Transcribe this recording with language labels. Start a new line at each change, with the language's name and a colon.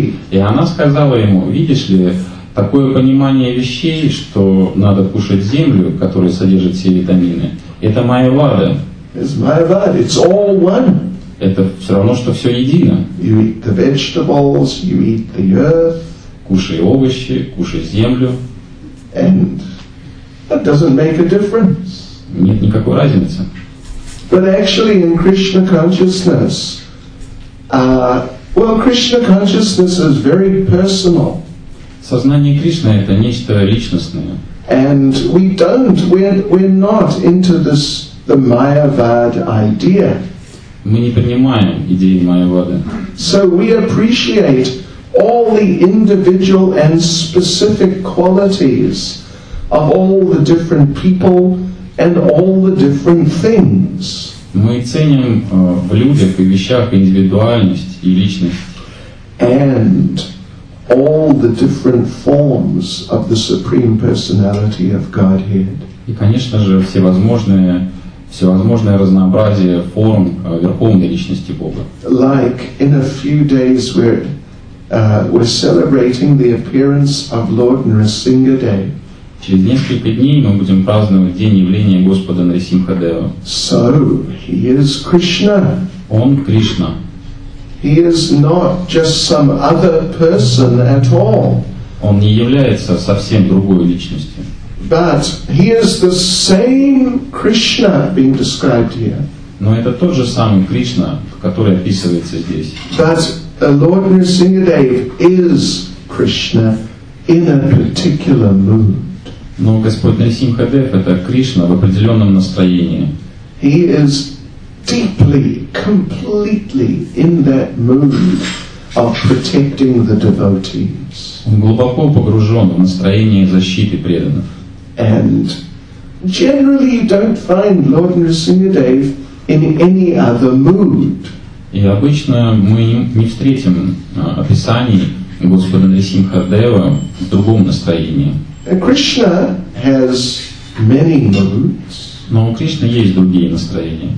Russian: И она сказала ему, видишь ли, такое понимание вещей, что надо кушать землю, которая содержит все витамины, это майявада.
English: It's майявада, it's all one.
Russian: Это все равно, что все едино.
English: You eat the vegetables, you eat the earth.
Russian: Кушай овощи, кушай землю.
English: And that doesn't make a difference.
Russian: Нет никакой разницы.
English: But actually in Krishna consciousness, well, Krishna consciousness is very personal.
Russian: Сознание Кришны это нечто личностное.
English: And we don't, we're not into this the Mayavad idea.
Russian: Мы не принимаем идеи Майявады.
English: So we appreciate all the individual and specific qualities of all the different people and all the different things.
Russian: Мы ценим в людях и вещах индивидуальность и личность.
English: And all the different forms of the Supreme Personality of Godhead.
Russian: И, конечно же, всевозможное разнообразие форм Верховной Личности Бога.
English: Like in a few days we're celebrating the appearance of Lord Nrisimha Dev.
Russian: Через несколько дней мы будем праздновать день явления Господа Нарисимха Дева.
English: So, he is Krishna.
Russian: Он Кришна.
English: He is not just some other person at all.
Russian: Он не является совсем другой личностью.
English: But he is the same Krishna being described here.
Russian: Но это тот же самый Кришна, который описывается здесь.
English: But the Lord Nrisimha Dev is Krishna in a particular mood.
Russian: Но Господь Нарисимха Дев это Кришна в определенном настроении.
English: He is deeply, completely in that mood of protecting the devotees.
Russian: Он глубоко погружен в настроение защиты преданных.
English: And generally you don't find Lord Nrisimha Dev in any other mood.
Russian: И обычно мы не встретим описаний Господа Нарисимха Дева в другом настроении.
English: Krishna has many moods.
Russian: Но у Кришны есть другие настроения.